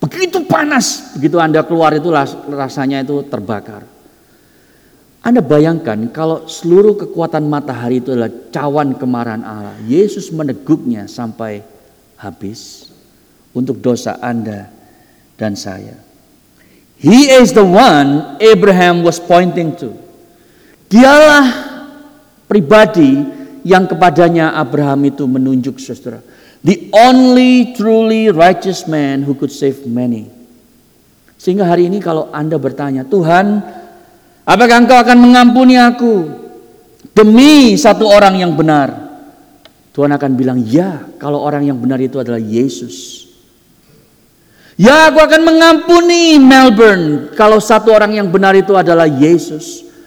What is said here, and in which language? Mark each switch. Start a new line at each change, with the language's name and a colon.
Indonesian: Begitu panas, begitu Anda keluar itu rasanya itu terbakar. Anda bayangkan kalau seluruh kekuatan matahari itu adalah cawan kemarahan Allah. Yesus meneguknya sampai habis untuk dosa Anda dan saya.
English: He is the one Abraham was pointing to.
Indonesian: Dialah pribadi yang kepadanya Abraham itu menunjuk, saudara.
English: The only truly righteous man who could save many.
Indonesian: Sehingga hari ini kalau Anda bertanya, Tuhan, apakah Engkau akan mengampuni aku demi satu orang yang benar? Tuhan akan bilang, ya, kalau orang yang benar itu adalah Yesus. Ya, aku akan mengampuni Melbourne kalau satu orang yang benar itu adalah Yesus.